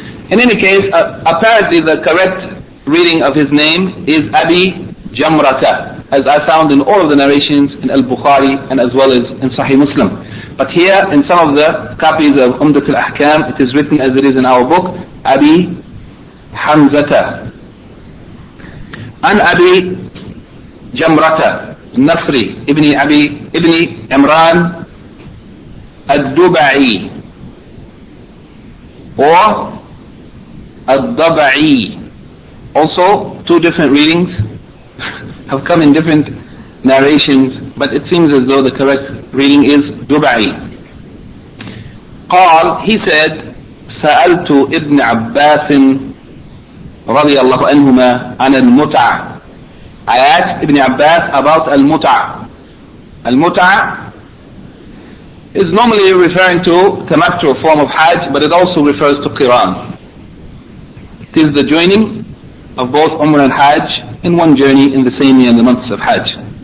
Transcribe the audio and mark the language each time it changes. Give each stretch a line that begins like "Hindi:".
English: In any case, apparently the correct reading of his name is Abi Jamrata, as I found in all of the narrations in Al-Bukhari and as well as in Sahih Muslim. But here in some of the copies of Umdat al-Ahkam it is written as it is in our book, Abi Hamzata.
Arabic: عن أبي جمرة النصري ابن أبي ابن عمران الدبعي و الضبعي.
English: Also two different readings have come in different narrations, but it seems as though the correct reading is Dubai.
Arabic: قال,
English: he said,
Arabic: سألت ابن عباس رضي الله عنهما عن المتع.
English: I asked Ibn Abbas about al-muta'. Al-muta'a is normally referring to tamattu, form of hajj, but it also refers to qiran. It is the joining of both umrah and hajj in one journey in the same year in the months of hajj.